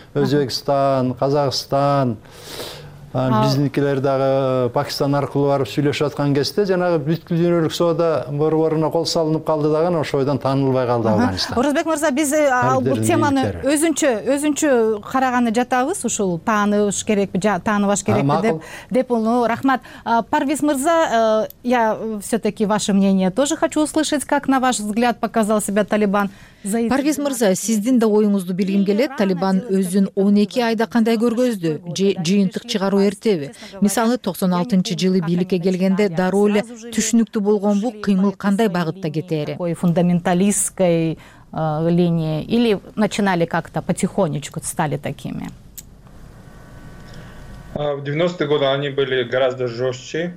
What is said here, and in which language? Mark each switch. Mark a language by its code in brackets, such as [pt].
[ky] Өзбекстан, Казакстан, бизникилер дагы Пакистан аркылуу барып сүйлөшүп аткан кезде жанагы бүткүл дүйнөлүк соода борборуна кол салынып калды дагы анан ошойдон таанылбай калды Афганистан. Орозбек мырза, биз бул теманы өзүнчө караганы жатабыз, ушул тааныш керекпи, тааныбаш керекпи деп уну. Рахмат. [ru] Парвиз мырза, я все таки ваше мнение тоже хочу услышать, как на ваш взгляд показал себя Талибан. [ky] Парвиз мырза, сиздин да оюңузду билгим келет. Талибан өзүн 12 айда кандай көргөздү? Же жыйынтык чыгаруу эртеби? Мисалы, 96 жылы бийликке келгенде дароо эле түшүнүктүү болгонбу, кыймыл кандай багытта кетери? [ru] Ой, фундаменталисткой линии или начинали как-то потихонечку стали такими? В 90-е годы они были гораздо жёстче.